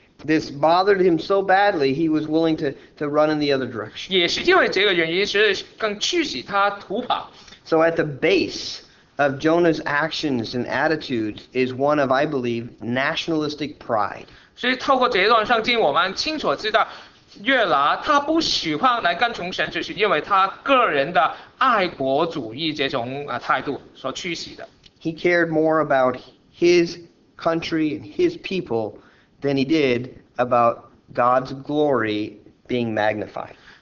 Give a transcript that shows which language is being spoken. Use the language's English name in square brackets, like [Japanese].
[English] This bothered him so badly, he was willing to run in the other direction. [Chinese] 也是因为这个原因，是更驱使他逃跑。 [English] So at the base of Jonah's actions and attitudes is one of, I believe, nationalistic pride. [Chinese] 所以透过这一段圣经，我们清楚知道，约拿他不喜欢来跟从神，就是因为他个人的爱国主义这种态度所驱使的。 [English] He cared more about his country and his people than he did about God's glory being magnified.